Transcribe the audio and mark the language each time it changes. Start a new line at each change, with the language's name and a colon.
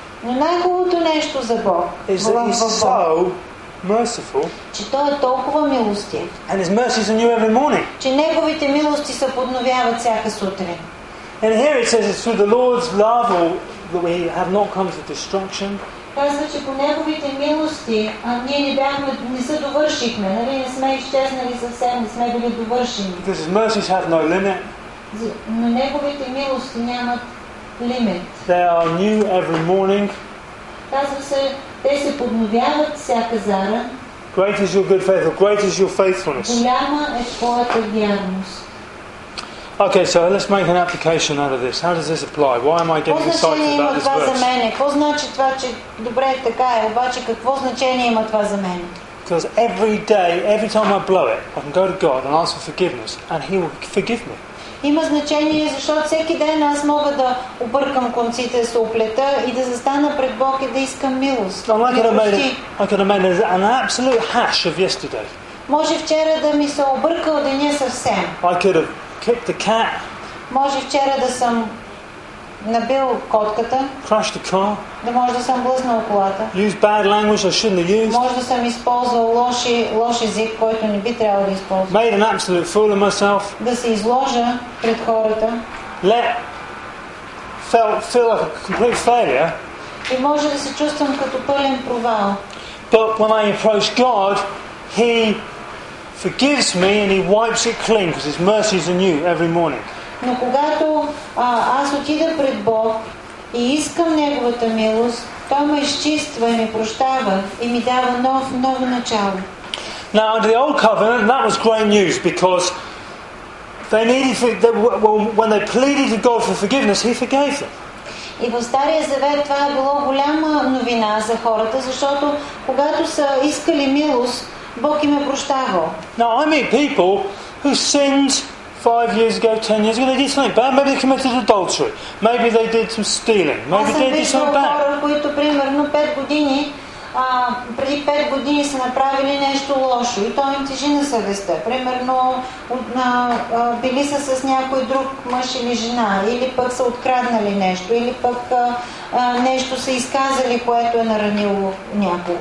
Bulgarian: Най-хубавото нещо за Бог
English: is that he's so merciful,
Bulgarian: че Той е толкова милостив.
English: And his mercies are new every morning.
Bulgarian: Че неговите милости се подновяват всяка сутрин.
English: And here it says it's through the Lord's love or that we have not come to destruction.
Bulgarian: Казва, че по неговите милости, а ние не бяхме, не се довършихме, нали, не сме изчезнали съвсем, не сме били довършени.
English: Because his mercies have no limit.
Bulgarian: Но неговите милости нямат лимит.
English: They are new every morning.
Bulgarian: Казва се, те се подновяват всяка заран.
English: Great is your good faith, or great is your faithfulness.
Bulgarian: Голяма е твоята вярност.
English: Okay, so let's make an application out of this. How does this apply? Why am I getting excited about this verse? Because every day, every time I blow it, I can go to God and ask for forgiveness, and He will forgive me.
Bulgarian: Има значение, защото всеки ден аз мога да объркам конците, се оплета и да застана пред Бог и да искам милост.
English: I could have made an absolute hash of yesterday.
Bulgarian: Може вчера да ми се объркал деня съвсем.
English: I could have kicked the cat.
Bulgarian: Може вчера да съм набил котката.
English: Crushed the car.
Bulgarian: Да може да съм блъснал колата.
English: Used bad language I shouldn't have used.
Bulgarian: Може да съм използвал лош език, който не би трябвало да използвам.
English: Made an absolute fool of myself.
Bulgarian: Да се изложа пред хората.
English: Feel like a complete failure.
Bulgarian: И може да се чувствам като пълен провал.
English: But when I approach God, He forgives me and He wipes it clean because His mercies are new every morning.
Bulgarian: Но когато аз отида пред Бог и искам Неговата милост, Той ме изчиства и ме прощава и ми дава ново начало.
English: Now under the old covenant, that was great news because they needed when they pleaded to God for forgiveness, He forgave them.
Bulgarian: И в Стария Завет това е било голяма новина за хората, защото когато са искали милост, Бог им е прощавал.
English: Now I meet people who sinned 5 years ago, 10 years ago, they did something bad. Maybe they committed adultery. Maybe they did some stealing. Maybe they did something bad.
Bulgarian: Хора, които примерно 5 години, преди 5 години са направили нещо лошо и то им тежи на съвестта. Примерно били са с някой друг мъж или жена, или пък са откраднали нещо, или пък нещо са изказали, което е наранило някого.